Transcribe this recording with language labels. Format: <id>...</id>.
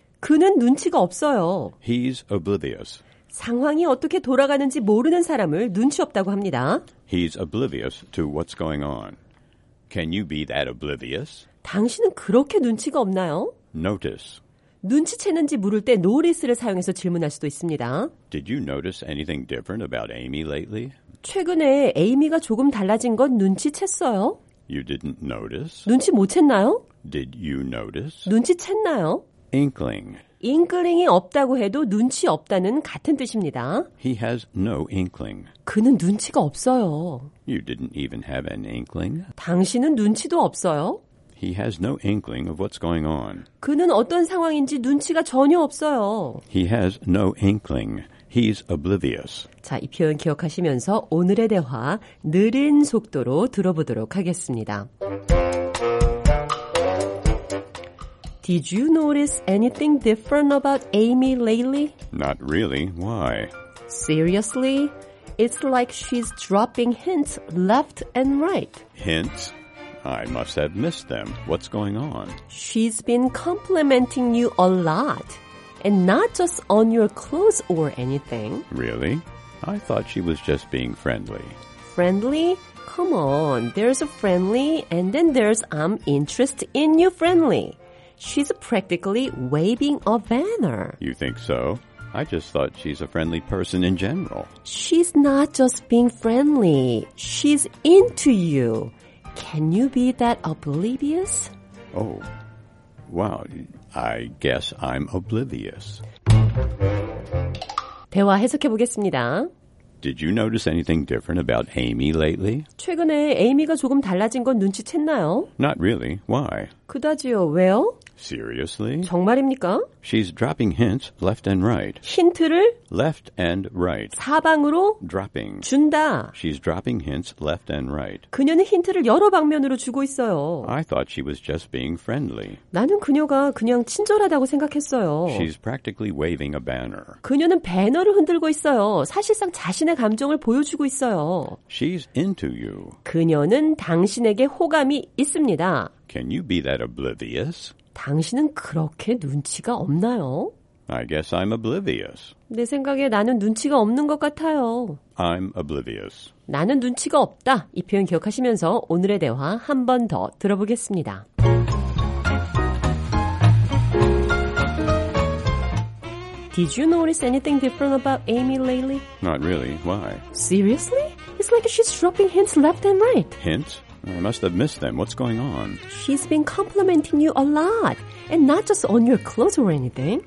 <ko>그는 눈치가 없어요.</ko> <en>He's oblivious.</en> <ko>상황이 어떻게 돌아가는지 모르는 사람을 눈치 없다고 합니다.</ko> <en>He's oblivious to what's going on. Can you be that oblivious?</en> <ko>당신은 그렇게 눈치가 없나요?</ko> <en>Notice.</en> <ko>눈치채는지 물을 때 notice를 사용해서 질문할 수도 있습니다.</ko> <en>Did you notice anything different about Amy lately?</en> <ko>최근에 에이미가 조금 달라진 건 눈치챘어요?</ko> <en>You didn't notice?</en> <ko>눈치 못 챘나요?</ko> <en>Did you notice?</en> <ko>눈치챘나요?</ko> <en>Inkling.</en> <ko>Inkling이 없다고 해도 눈치 없다는 같은 뜻입니다.</ko> <en>He has no inkling.</en> <ko>그는 눈치가 없어요.</ko> <en>You didn't even have an inkling?</en> <ko>당신은 눈치도 없어요.</ko> <en>He has no inkling of what's going on.</en> <ko>그는 어떤 상황인지 눈치가 전혀 없어요.</ko> <en>He has no inkling. He's oblivious.</en> <ko>자, 이 표현 기억하시면서 오늘의 대화 느린 속도로 들어보도록 하겠습니다.</ko> <en>Did you notice anything different about Amy lately? Not really. Why? Seriously? It's like she's dropping hints left and right. Hints? I must have missed them. What's going on? She's been complimenting you a lot. And not just on your clothes or anything. Really? I thought she was just being friendly. Friendly? come on. There's a friendly and then there's I'm interested in you friendly. She's practically waving a banner. You think so? I just thought she's a friendly person in general. She's not just being friendly. She's into you. Can you be that oblivious? Oh, wow. I guess I'm oblivious.</en> <ko>대화 해석해 보겠습니다.</ko> <en>Did you notice anything different about Amy lately?</en> <ko>최근에 에이미가 조금 달라진 건 눈치챘나요?</ko> <en>Not really. Why?</en> <ko>그다지요. 왜요?</ko> <en>Seriously?</en> <ko>정말입니까?</ko> <en>She's dropping hints left and right.</en> <ko>힌트를?</ko> <en>Left and right.</en> <ko>사방으로?</ko> <en>Dropping.</en> <ko>준다.</ko> <en>She's dropping hints left and right.</en> <ko>그녀는 힌트를 여러 방면으로 주고 있어요.</ko> <en>I thought she was just being friendly.</en> <ko>나는 그녀가 그냥 친절하다고 생각했어요.</ko> <en>She's practically waving a banner.</en> <ko>그녀는 배너를 흔들고 있어요. 사실상 자신의 감정을 보여주고 있어요.</ko> <en>She's into you.</en> <ko>그녀는 당신에게 호감이 있습니다.</ko> <en>Can you be that oblivious?</en> <ko>당신은 그렇게 눈치가 없나요?</ko> <en>I guess I'm oblivious.</en> <ko>내 생각에 나는 눈치가 없는 것 같아요.</ko> <en>I'm oblivious.</en> <ko>나는 눈치가 없다. 이 표현 기억하시면서 오늘의 대화 한 번 더 들어보겠습니다.</ko> <en>Did you notice anything different about Amy lately? Not really. Why? Seriously? It's like she's dropping hints left and right. Hints? I must have missed them. What's going on? She's been complimenting you a lot. And not just on your clothes or anything.</en>